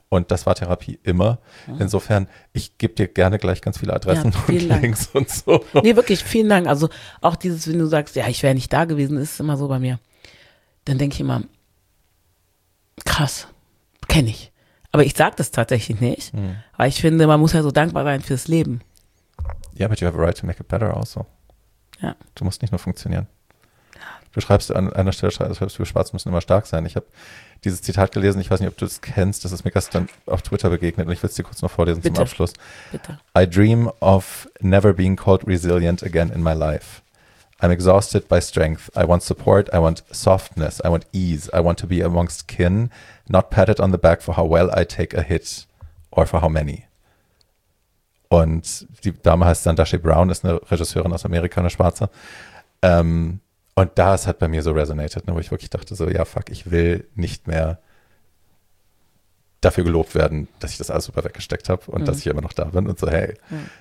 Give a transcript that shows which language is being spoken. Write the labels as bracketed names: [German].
[German] Und das war Therapie immer. Insofern, ich gebe dir gerne gleich ganz viele Adressen, ja, und Links, Dank, und so. Nee, wirklich, vielen Dank. Also auch dieses, wenn du sagst, ja, ich wäre nicht da gewesen, ist immer so bei mir. Dann denke ich immer, krass, kenne ich. Aber ich sage das tatsächlich nicht, mhm, weil ich finde, man muss ja so dankbar sein fürs Leben. [English] Ja, yeah, but you have a right to make it better also. [German] Ja. Du musst nicht nur funktionieren. Du schreibst an einer Stelle, schreibst du, Schwarze müssen immer stark sein. Ich habe dieses Zitat gelesen, ich weiß nicht, ob du es kennst, das ist mir gestern auf Twitter begegnet und ich will es dir kurz noch vorlesen, bitte, zum Abschluss. Bitte. [English] I dream of never being called resilient again in my life. I'm exhausted by strength. I want support, I want softness, I want ease. I want to be amongst kin, not patted on the back for how well I take a hit or for how many. [German] Und die Dame heißt Sandashe Brown, ist eine Regisseurin aus Amerika, eine Schwarze. Und das hat bei mir so resonated, ne, wo ich wirklich dachte so, ja, fuck, ich will nicht mehr dafür gelobt werden, dass ich das alles super weggesteckt habe und, mhm, dass ich immer noch da bin und so, hey. Mhm.